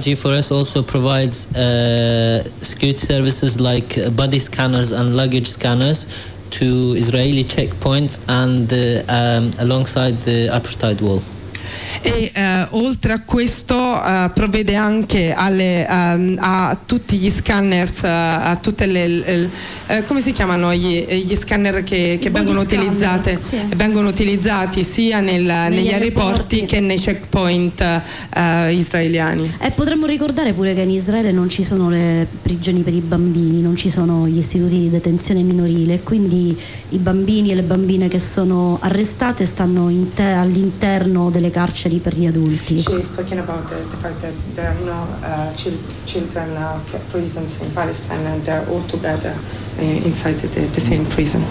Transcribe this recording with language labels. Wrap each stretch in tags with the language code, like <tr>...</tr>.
<en>And on top of that, G4S also provides security services like body scanners and luggage scanners to Israeli checkpoints and alongside the apartheid wall.</en> <it>E oltre a questo provvede anche a tutti gli scanners, a tutte come si chiamano gli scanner che vengono utilizzate, sì. Vengono utilizzati sia negli aeroporti che nei checkpoint israeliani. E potremmo ricordare pure che in Israele non ci sono le prigioni per i bambini, non ci sono gli istituti di detenzione minorile, quindi i bambini e le bambine che sono arrestate stanno all'interno delle carceri per gli adulti.</it> <en>She's talking about the fact that there are no children prisons in Palestine, and they're all together inside the same prison.</en>